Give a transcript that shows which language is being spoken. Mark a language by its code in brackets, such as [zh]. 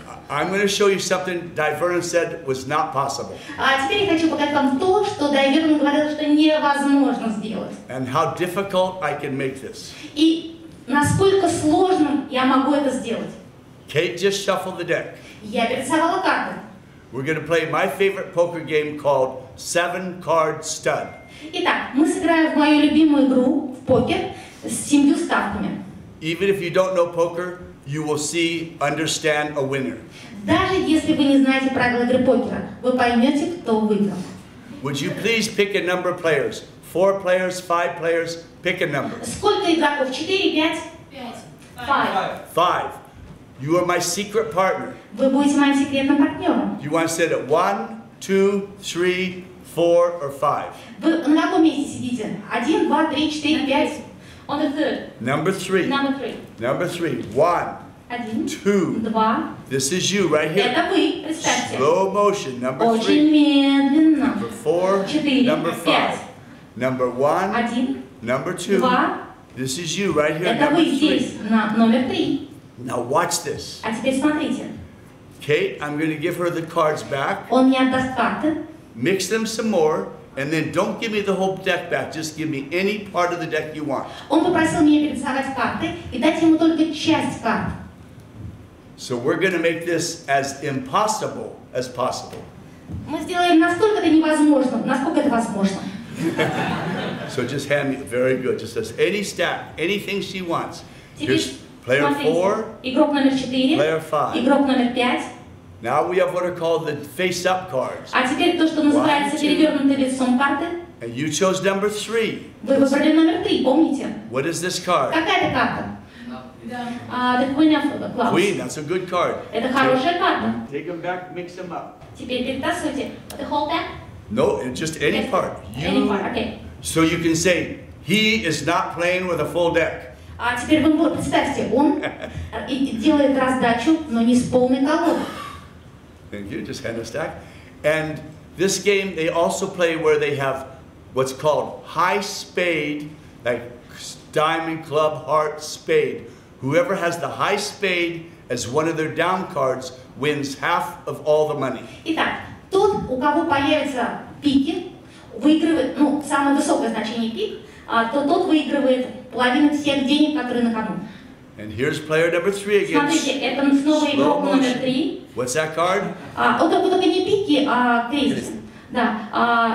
[en] I'm going to show you something Diverne said was not possible. [ru] Теперь я хочу показать вам то, что Diverne говорил, что невозможно сделать. [en] And how difficult I can make this. [ru] И насколько сложным я могу это сделать. [en] Kate just shuffled the deck. [ru] Я перетасовала карты. [en] We're going to play my favorite poker game called Seven Card Stud. [ru] Итак, мы сыграем в мою любимую игру в покер с семью ставками. [en] Even if you don't know poker, you will see, understand a winner. [ru] Даже если вы не знаете правила игры покера, вы поймете, кто выиграл. [en] Would you please pick a number of players? 4 players, 5 players, pick a number. [ru] Сколько игроков? 4, 5? 5. [en] 5. You are my secret partner. [ru] Вы будете моим секретным партнером. [en] You want to sit at 1, 2, 3, 4, or 5? [ru] Вы на каком месте сидите? 1, 2, 3, 4, 5? [en] On the third. Number 3. Number 3. 1. 2. This is you right here. [ru] Это вы. [en] Slow motion. Number 3. [ru] Очень медленно. [en] Number 4. 4. Number 5. Number 1. 1. Number 2. 2. This is you right here. [ru] Это вы здесь. [en] Number 3. Now watch this. [ru] А теперь смотрите. [en] Kate, I'm going to give her the cards back. [ru] Он мне отдаст карты. [en] Mix them some more. And then don't give me the whole deck back. Just give me any part of the deck you want. [ru] Он попросил меня перерисовать карты и дать ему только часть карт. [en] So we're going to make this as impossible as possible. [ru] Мы сделаем настолько это невозможно, насколько это возможно. [en] So just hand me, very good. Just says any stack, anything she wants. Here's player 4. [ru] Игрок номер 4. [en] Player 5. [ru] Игрок номер 5. [en] Now we have what are called the face-up cards. [ru] А теперь то, что называется перевернутые лицом карты. [en] And you chose number 3. [ru] Вы выбрали номер 3, помните? [en] What is this card? [ru] Какая это карта? [en] The Queen of Clubs. Queen, that's a good card. [ru] Это хорошая карта. [en] Take them back, mix them up. [ru] Теперь перетасуйте. [en] The whole deck? No, just any part. Any part, okay. So you can say, he is not playing with a full deck. [ru] А теперь вы представьте, он делает раздачу, но не с полной колодой. [en] Thank you, just hand a stack. And this game, they also play where they have what's called high spade, like diamond, club, heart, spade. Whoever has the high spade as one of their down cards wins half of all the money. [ru] Итак, тот, у кого появятся пики, выигрывает, ну, самое высокое значение пик, то тот выигрывает половину всех денег, которые на кону. [en] And here's player number 3 again. [ru] Смотрите, это снова игрок номер 3. [en] What's that card? [ru] Только не пики, а крест. Да.